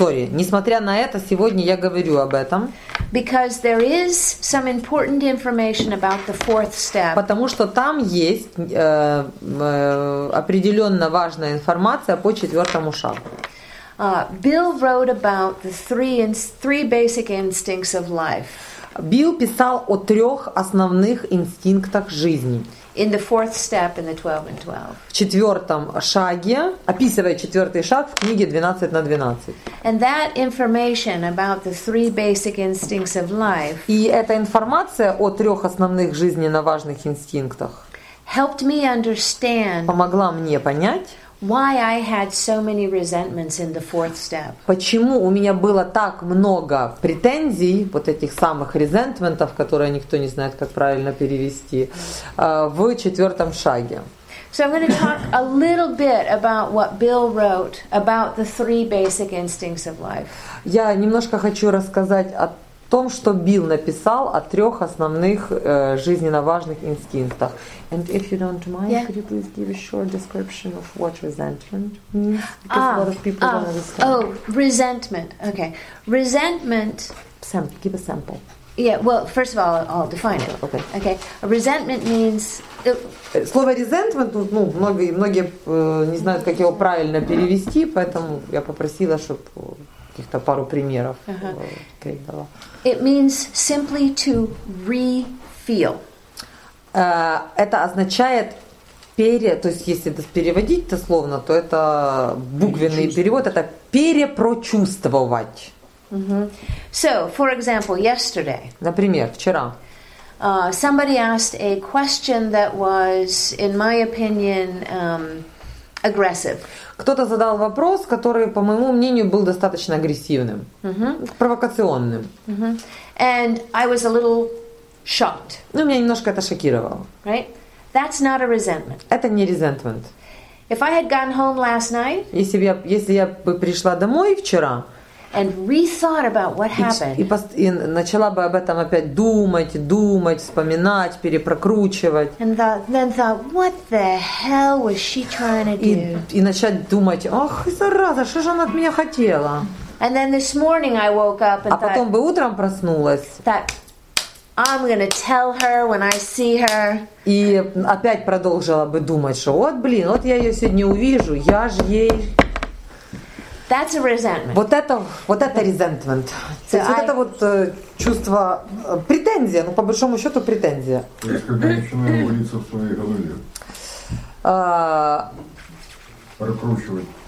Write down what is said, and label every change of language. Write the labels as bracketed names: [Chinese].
[Russian] Несмотря на это, сегодня я говорю об этом. [English] Because there is some important information about the fourth step. [Russian] Потому что там есть определенно важная информация по четвертому шагу. [English] Bill wrote about the three basic instincts of life. [Russian] Билл писал о трех основных инстинктах жизни. [English] In the fourth step in the 12 and 12. [Russian] В четвертом шаге, описывая четвертый шаг в книге 12 на 12. [English] And that information about the three basic instincts of life. [Russian] И эта информация о трех основных жизненно важных инстинктах. [English] Helped me understand. [Russian] Помогла мне понять. [English] Why I had so many resentments in the fourth step? [Russian] Почему у меня было так много претензий, вот этих самых резентментов, которые никто не знает, как правильно перевести, в четвертом шаге? [English] So I'm going to talk a little bit about what Bill wrote about the three basic instincts of life. [Russian] Я немножко хочу рассказать о том, что Билл написал о трех основных жизненно важных инстинктах. [English] And if you don't mind, yeah. Could you please give a short description of what resentment means? Because a lot of people don't understand. Oh, resentment. Okay. Resentment. Give a sample. Yeah, well, first of all, I'll define it. Okay. Okay. Resentment means... [Russian] Слово resentment, ну, многие не знают, как его правильно перевести, поэтому я попросила, чтобы... каких-то пару примеров передала. [English] It means simply to re-feel. [Russian] Это означает то есть если это переводить дословно, то это буквенный перевод, это перепрочувствовать. [English] So, for example, yesterday. [Russian] Например, вчера. [English] Somebody asked a question that was, in my opinion, aggressive. [Russian] Кто-то задал вопрос, который, по моему мнению, был достаточно агрессивным, провокационным. [English] And I was a little shocked. [Russian] Ну, меня немножко это шокировало. [English] Right? That's not a resentment. [Russian] Это не resentment. [English] If I had gone home last night, [Russian] если я бы пришла домой вчера, [English] and rethought about what happened. [Russian] И начала бы об этом опять думать, вспоминать, перепрокручивать. [English] And then thought, what the hell was she trying to do? [Russian] И начать думать, ох, зараза, что же она от меня хотела? [English] And then this morning I woke up and [Russian] а потом [English] thought, [Russian] бы утром проснулась. [English] That I'm gonna tell her when I see her. [Russian] И опять продолжила бы думать, что вот, блин, вот я ее сегодня увижу, я же ей... [English] That's a resentment. [Russian] Вот это resentment. So вот это вот чувство претензия, ну по большому счету претензия. Когда начинаю молиться в своей голове.